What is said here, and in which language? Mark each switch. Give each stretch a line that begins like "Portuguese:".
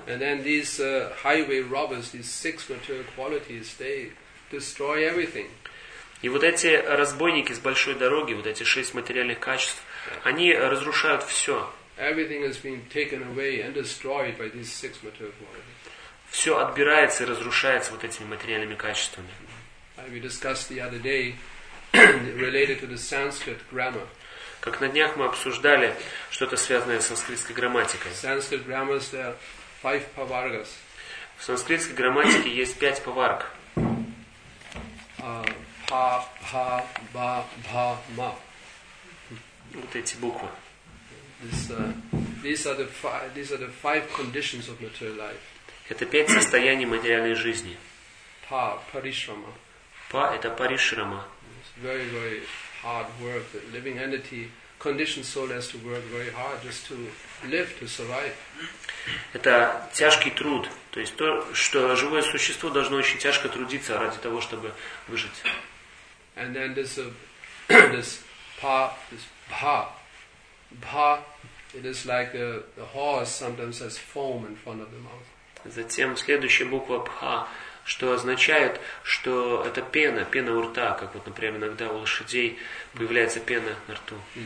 English: And then these highway robbers, these six material qualities, they destroy everything.
Russian: И вот эти разбойники с большой дороги, вот эти 6 материальных качеств, они разрушают все.
English: Everything has been taken away and destroyed by these six material qualities.
Russian: Все отбирается и разрушается вот этими материальными качествами.
English: We discussed the other day related to the Sanskrit grammar.
Russian: Как на днях мы обсуждали что-то связанное с санскритской грамматикой.
English: Sanskrit grammars, there are 5 pavargas.
Russian: В санскритской грамматике есть 5 паварг.
Sanskrit: Pa, pa, ba, bha, ma.
Russian: Вот эти буквы.
English: These are the five conditions of material life.
Russian: Это 5 состояний материальной жизни. Па – паришрама. Па – это паришрама.
English: It's very, very hard work. The living entity conditioned soul has to work very hard just to live, to survive.
Russian: Это тяжкий труд. То есть то, что живое существо должно очень тяжко трудиться ради того, чтобы выжить.
English: And then this па, this бха. Бха – it is like the horse sometimes has foam in front of the mouth.
Russian: Затем следующая буква «пха», что означает, что это пена, пена у рта, как вот, например, иногда у лошадей появляется пена на рту.